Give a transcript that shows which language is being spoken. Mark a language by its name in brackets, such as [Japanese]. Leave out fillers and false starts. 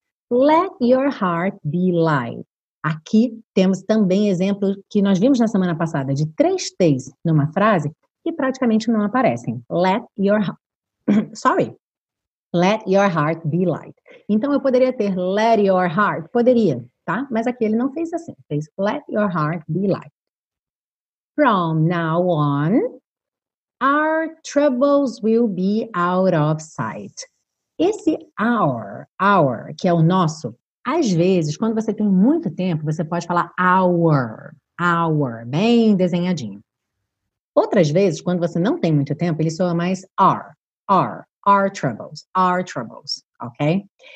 [English] Let your heart be light. [Portuguese] Aqui temos também exemplos que nós vimos na semana passada de três T's numa frase que praticamente não aparecem. Let your heart... Sorry. [English] Let your heart be light. [Portuguese] Então eu poderia ter let your heart. Poderia, tá? Mas aqui ele não fez assim. [English] Fez let your heart be light. From now on, our troubles will be out of sight. [Portuguese] Esse our, que é o nosso, às vezes, quando você tem muito tempo, você pode falar our, bem desenhadinho. Outras vezes, quando você não tem muito tempo, ele soa mais our troubles, ok?